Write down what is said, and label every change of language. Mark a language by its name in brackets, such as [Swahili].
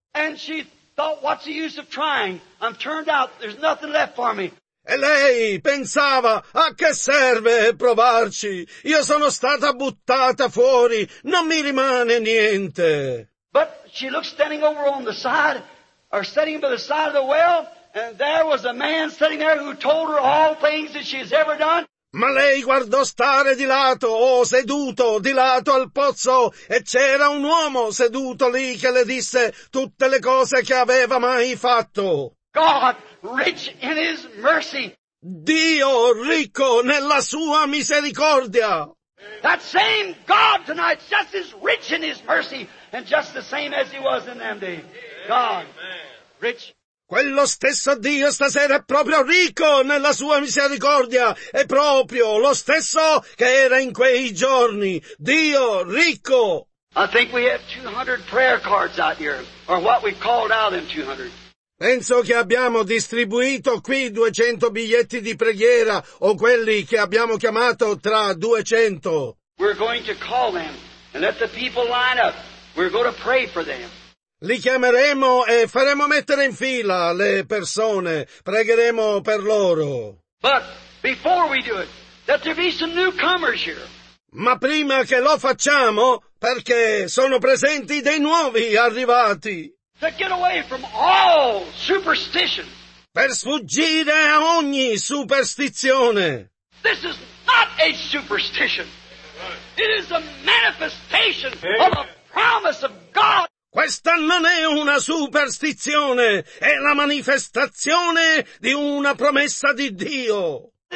[English] And she thought, what's the use of trying? I'm turned out. There's nothing left for me. [Italian] E lei pensava, a che serve provarci? Io sono stata buttata fuori, non mi rimane niente. [English] But she looked standing over on the side, or standing by the side of the well, and there was a man sitting there who told her all things that she has ever done. [Italian] Ma lei guardò stare di lato, seduto, di lato al pozzo, e c'era un uomo seduto lì che le disse tutte le cose che aveva mai fatto. [English] God, rich in his mercy. [Italian] Dio ricco nella sua misericordia. [English] That same God tonight, just as rich in his mercy, and just the same as he was in them days. God, rich. [Italian] Quello stesso Dio stasera è proprio ricco nella sua misericordia, è proprio lo stesso che era in quei giorni. Dio ricco. [English] I think we have 200 prayer cards out here, or what we called out in 200. [Italian] Penso che abbiamo distribuito qui 200 biglietti di preghiera, o quelli che abbiamo chiamato tra 200. [English] We're going to call them and let the people line up. We're going to pray for them. [Italian] Li chiameremo e faremo mettere in fila le persone. Pregheremo per loro. [English] But before we do it, that there be some newcomers here. [Italian] Ma prima che lo facciamo, perché sono presenti dei nuovi arrivati. [English] To get away from all superstition. [Italian] Per sfuggire a ogni superstizione. [English] This is not a superstition. It is a manifestation of a promise of God. [Italian] Questa non è una superstizione, è la manifestazione di una promessa di Dio.